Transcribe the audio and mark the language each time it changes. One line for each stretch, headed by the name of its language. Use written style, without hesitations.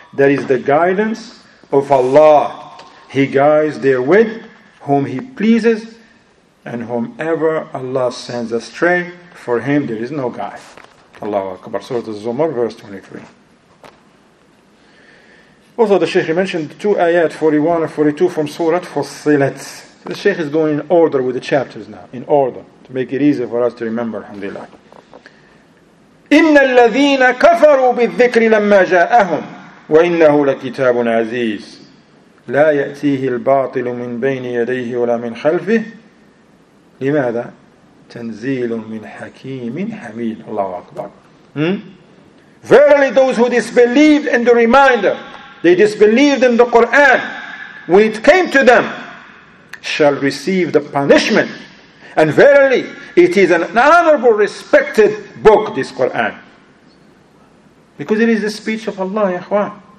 English: That is the guidance of Allah. He guides therewith whom He pleases, and whomever Allah sends astray, for him there is no guide. Allahu Akbar. Surah Az-Zumar, verse 23. Also, the Shaykh mentioned two ayat, 41 and 42, from Surah Fussilat. So the Shaykh is going in order with the chapters now, in order, to make it easy for us to remember, alhamdulillah.
Arabic: إِنَّ الَّذِينَ كَفَرُوا بِالذِّكْرِ لَمَّا جَاءَهُمْ وَإِنَّهُ لَكِتَابٌ عَزِيزٌ لا يأتيه الباطل من بين يديه ولا من خلفه لماذا تنزيل من حكيم حميد. الله أكبر.
English: Verily those who disbelieved in the reminder, they disbelieved in the Quran when it came to them, shall receive the punishment. And verily it is an honorable, respected book, this Quran, because it is the speech of Allah,
Arabic: يا إخوان.